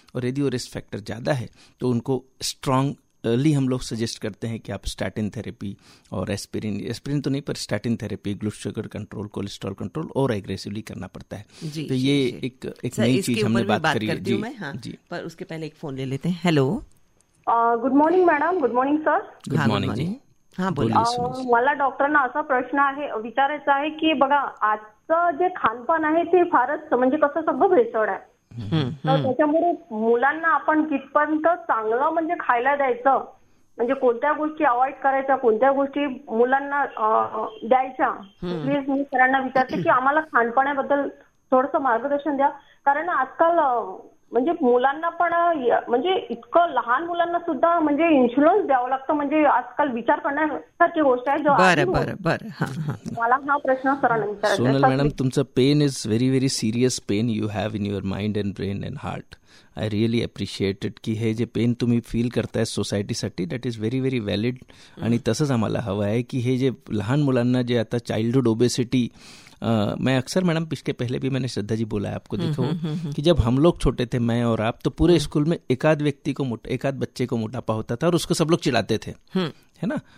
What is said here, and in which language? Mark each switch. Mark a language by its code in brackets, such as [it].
[hi] और यदि वो रिस्क फैक्टर ज़्यादा है तो उनको स्ट्रॉन्ग अर्ली हम लोग सजेस्ट करते हैं कि आप स्टैटिन थेरेपी और एस्पिरिन, एस्पिरिन तो नहीं पर statin therapy, ग्लड sugar control, cholesterol control और एग्रेसिवली करना पड़ता है। जी, तो ये जी, एक एक नई चीज हमने बात करी करती जी, मैं, हाँ, जी। पर उसके पहले एक फोन ले लेते हैं। [en] Hello, good morning madam, good morning sir. Good morning जी, [hi] हाँ बोलिए। [mr] मला डॉक्टरना असा प्रश्न आहे, विचारायचा आहे की बघा आजचं जे खानपान आहे ते फारच म्हणजे कसं सगळं भेसळ आहे, त्याच्यामुळे मुलांना आपण कितपर्यंत चांगलं म्हणजे खायला द्यायचं, म्हणजे कोणत्या गोष्टी अवॉइड करायच्या, कोणत्या गोष्टी मुलांना द्यायच्या, प्लीज मी सरांना विचारते की आम्हाला खानपानाबद्दल थोडस मार्गदर्शन द्या, कारण आजकाल म्हणजे मुलांना पण म्हणजे इतकं लहान मुलांना सुद्धा म्हणजे इन्शुरन्स द्यावं लागतं, म्हणजे आजकाल विचार करण्यासारखी गोष्ट आहे। जो मला हा प्रश्न सरांना विचारायचा। [en] Sunil madam, तुमचं pain is very very serious pain you have in your mind and brain and heart. I really appreciate it [mr] की हे जे पेन तुम्ही फील करताय सोसायटीसाठी [en] that is very very valid, [mr] आणि तसंच आम्हाला हवं आहे की हे जे लहान मुलांना जे आता चाइल्डहूड ओबेसिटी, [hi] मैं अक्सर मैडम पिछले पहले भी मैंने श्रद्धा जी बोला है आपको, देखो कि जब हम लोग छोटे थे मैं और आप, तो पूरे स्कूल में एकाध व्यक्ति को एकाध बच्चे को मोटापा होता था और उसको सब लोग चिढ़ाते थे, है ना।